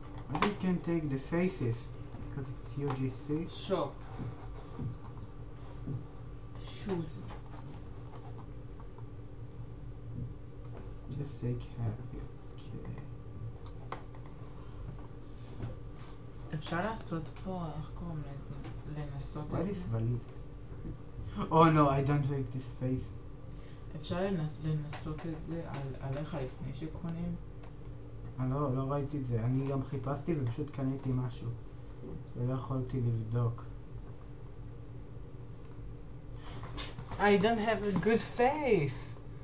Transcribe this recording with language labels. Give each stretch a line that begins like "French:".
English: But you can take the faces, because it's UGC. Shop. Shoes. Just take care of you, okay.
Hebrew: אפשר לעשות פה, איך קוראים לזה? לנסות את זה?
English: What is valid? Oh no, I don't like this face.
Hebrew: אפשר לנסות את זה עליך לפני שקונים? לא ראיתי את זה. אני גם חיפשתי ופשוט קניתי משהו. ולא יכולתי לבדוק.
English: I don't have a good face!